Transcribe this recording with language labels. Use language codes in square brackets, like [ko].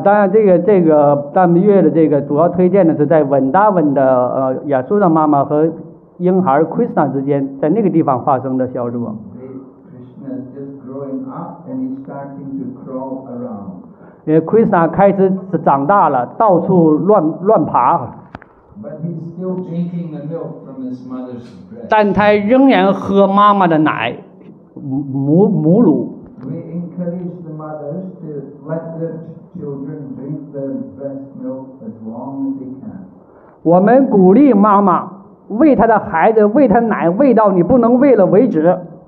[zh] 当然这个当月的这个主要推荐的是在文达文的亚苏的妈妈和婴孩 Krishna 之间，在那个地方发生的小组。 [en] Krishna is just growing up and he's starting to crawl around. [zh] Krishna 开始是长大了，到处乱爬。 [en] But he's still drinking the milk from his mother's breast. [zh] 但他仍然喝妈妈的奶，母乳。 [en] We encourage the mothers to let their children drink their breast milk as long as they can. [zh] 我们鼓励妈妈。喂他的孩子，喂他奶，喂到你不能喂了为止。